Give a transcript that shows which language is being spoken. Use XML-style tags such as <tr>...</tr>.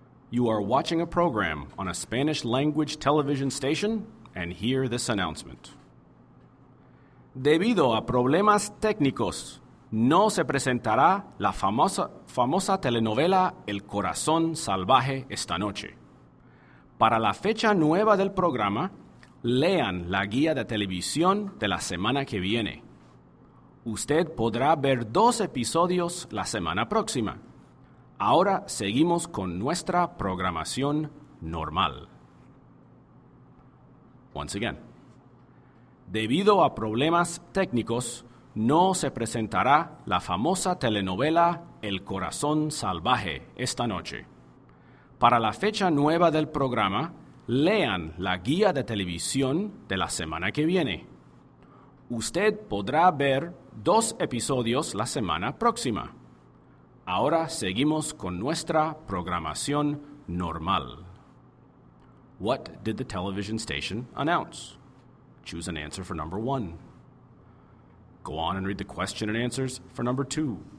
<en>You are watching a program on a Spanish language television station and hear this announcement.</en> <es>Debido a problemas técnicos, no se presentará la famosa telenovela El Corazón Salvaje esta noche. Para la fecha nueva del programa, lean la guía de televisión de la semana que viene. Usted podrá ver dos episodios la semana próxima. Ahora seguimos con nuestra programación normal.</es> <en>Once again.</en> <es>Debido a problemas técnicos, no se presentará la famosa telenovela El Corazón Salvaje esta noche. Para la fecha nueva del programa, lean la guía de televisión de la semana que viene. Usted podrá ver dos episodios la semana próxima. Ahora seguimos con nuestra programación normal.</es> <en>What did the television station announce? Choose an answer for number one. Go on and read the question and answers for number two.</en>